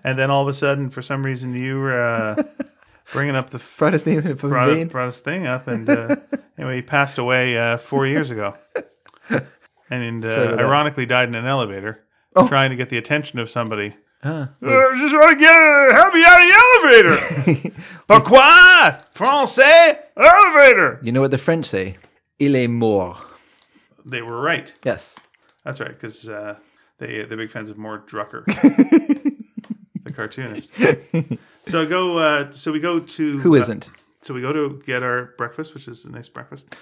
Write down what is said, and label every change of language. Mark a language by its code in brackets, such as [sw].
[en] And then all of a sudden, for some reason, you were... bringing up the brought his name up brought his thing up, and anyway, he passed away 4 years ago, and ironically that. Died in an elevator trying to get the attention of somebody. Just want to get help me out of the elevator. [fr] Pourquoi français elevator? [en] You know what the French say? [fr] Il est mort. [en] They were right. Yes, that's right, because they're big fans of Mort Drucker, the cartoonist. So I go. So we go to who isn't. So we go to get our breakfast, which is a nice breakfast.